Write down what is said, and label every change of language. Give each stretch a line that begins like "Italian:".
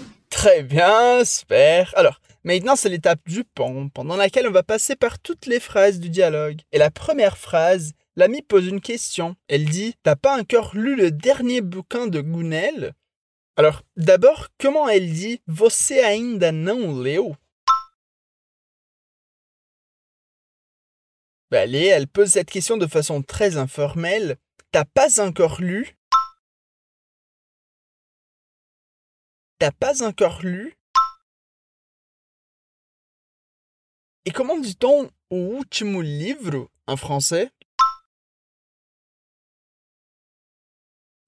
French: Très bien, super. Alors, maintenant c'est l'étape du pont, pendant laquelle on va passer par toutes les phrases du dialogue. Et la première phrase, l'ami pose une question. Elle dit, t'as pas encore lu le dernier bouquin de Gounel ? Alors, d'abord, comment elle dit,
Portuguese: você ainda não leu ?
French: Ben allez, elle pose cette question de façon très informelle. T'as pas encore lu ? T'as pas encore lu ? Et comment dit-on «
Portuguese: último livro
French: » en français ?